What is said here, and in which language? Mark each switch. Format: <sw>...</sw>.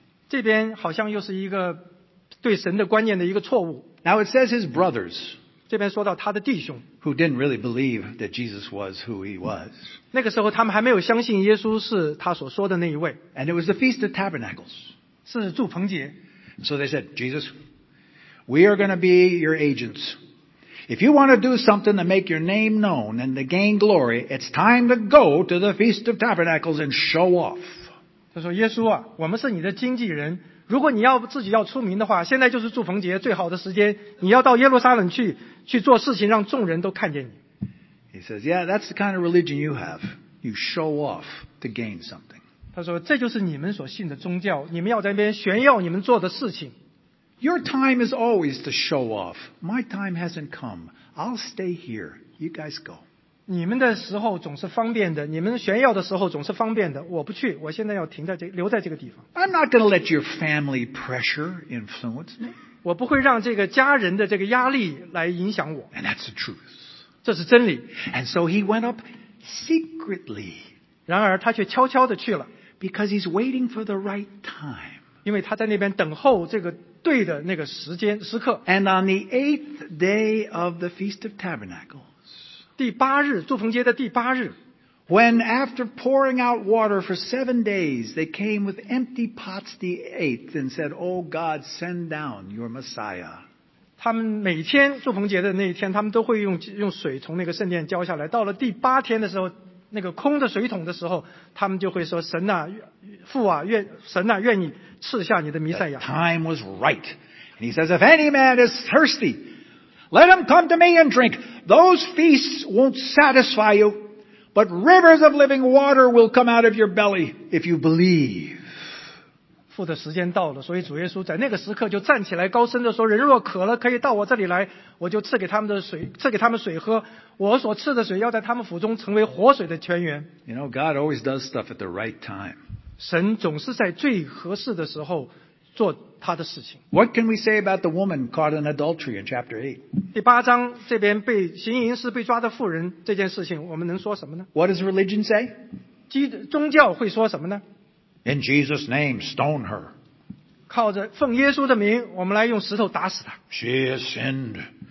<zh>这边好像又是一个对神的观念的一个错误。</zh> <en>Now it says his brothers.</en> <zh>这边说到他的弟兄</zh> <en>who didn't really believe that Jesus was who he was.</en> <zh>那个时候他们还没有相信耶稣是他所说的那一位。</zh> <en>And it was the Feast of Tabernacles.</en> <zh>是住棚节。</zh> <en>So they said, Jesus, we are going to be your agents. If you want to do something to make your name known and to gain glory, it's time to go to the Feast of Tabernacles and show off.</en> <zh>他说耶稣啊，我们是你的经纪人。如果你要自己要出名的话，现在就是住棚节最好的时间。你要到耶路撒冷去做事情，让众人都看见你。</zh> <en>He says, "Yeah, that's the kind of religion you have. You show off to gain something."</en> <zh>他说，这就是你们所信的宗教，你们要在那边炫耀你们做的事情。</zh> <en>Your time is always to show off. My time hasn't come. I'll stay here. You guys go.</en> <zh>你们的时候总是方便的，你们炫耀的时候总是方便的。我不去，我现在要停在这，留在这个地方。</zh> <en>I'm not going to let your family pressure influence me.</en> <zh>我不会让这个家人的这个压力来影响我。</zh> <en>And that's the truth.</en> <zh>这是真理。</zh> <en>And so he went up secretly.</en> <zh>然而他却悄悄地去了。</zh> <en>Because he's waiting for the right time.</en> <zh>因为他在那边等候这个对的那个时间时刻。</zh> <en>And on the eighth day of the Feast of Tabernacles.</en> <zh>第八日，祝棚节的第八日。</zh> <en>When after pouring out water for 7 days, they came with empty pots the eighth and said, "Oh God, send down your Messiah."</en> <zh>他们每天祝棚节的那一天，他们都会用水从那个圣殿浇下来。到了第八天的时候，那个空的水桶的时候，他们就会说：“神啊，父啊，神啊，愿你赐下你的弥赛亚。”</zh> <en>Time was right, and he says, "If any man is thirsty." Let him come to me and drink. Those feasts won't satisfy you, but rivers of living water will come out of your belly if you believe.</en> <zh>父的时间到了，所以主耶稣在那个时刻就站起来，高声地说：“人若渴了，可以到我这里来，我就赐给他们的水，赐给他们水喝。我所赐的水要在他们腹中成为活水的泉源。”</zh> <en>You know, God always does stuff at the right time.</en> <zh>神总是在最合适的时候。做他的事情。</zh> <en>What can we say about the woman caught in adultery in chapter 8?</en> <zh>第八章这边被行淫时被抓的妇人这件事情，我们能说什么呢？</zh> <en>What does religion say?</en> <zh>宗教会说什么呢？</zh> <en>In Jesus' name, stone her.</en> <zh>靠着奉耶稣的名，我们来用石头打死她。</zh> <en>She has sinned.</en>